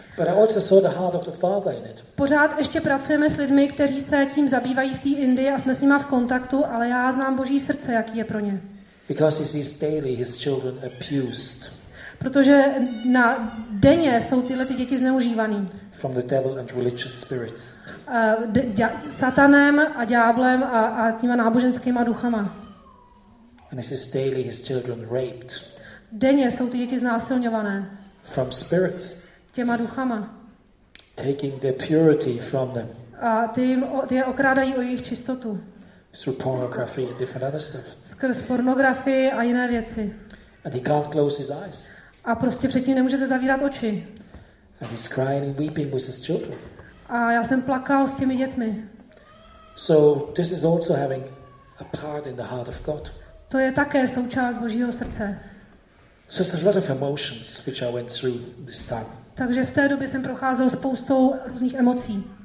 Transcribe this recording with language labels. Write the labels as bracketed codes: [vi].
[en] But I also saw the heart of the father in it. [cs] Pořád ještě pracujeme s lidmi, kteří se tím zabývají v té Indii a jsme s nima v kontaktu, ale já znám Boží srdce, jaký je pro ně. [en] Because he sees daily his children abused. [cs] Protože na denně jsou tyhle ty děti zneužívaný. [en] From the devil and religious spirits. [cs] Satanem a ďáblem a těma náboženskýma duchama. [en] And this is daily his children raped. [cs] Denně jsou ty děti znásilňované. [en] From spirits. [cs] Těma duchama. [en] Taking their purity from them. [cs] A ty je okrádají o jejich čistotu. [en] through pornography and different other stuff. [cs] Skrz pornografii a jiné věci. [en] And he can't close his eyes. [cs] A prostě před tím nemůžete zavírat oči. [en] And he's crying and weeping with his children. [cs] A já jsem plakal s těmi dětmi. [en] So this is also having a part in the heart of God. [cs] To je také součást Božího srdce. [en] So there's a lot of emotions which I went through this time. [cs] Takže v té době jsem procházel spoustou různých emocí.